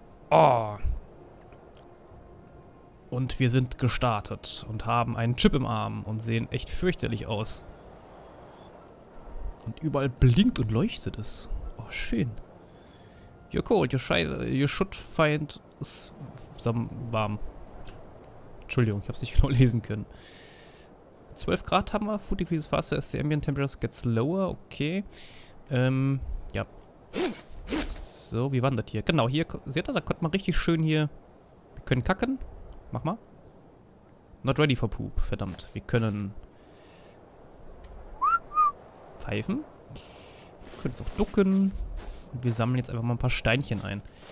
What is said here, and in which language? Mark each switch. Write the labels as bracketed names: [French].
[German] Oh. Und wir sind gestartet und haben einen Chip im Arm und sehen echt fürchterlich aus. Und überall blinkt und leuchtet es. [English] Oh, [German] schön. [English] You're cold. You should find some warm. [German] Entschuldigung, ich habe es nicht genau lesen können. 12 Grad haben wir. [English] Food decreases faster as the ambient temperatures gets lower. [German] Okay. Ja. So, wie war denn das hier? Genau, hier, seht ihr, da konnte man richtig schön hier... Wir können kacken. Mach mal. [English] Not ready for poop, [German] verdammt. Wir können... Pfeifen. Wir können jetzt auch ducken. Wir sammeln jetzt einfach mal ein paar Steinchen ein.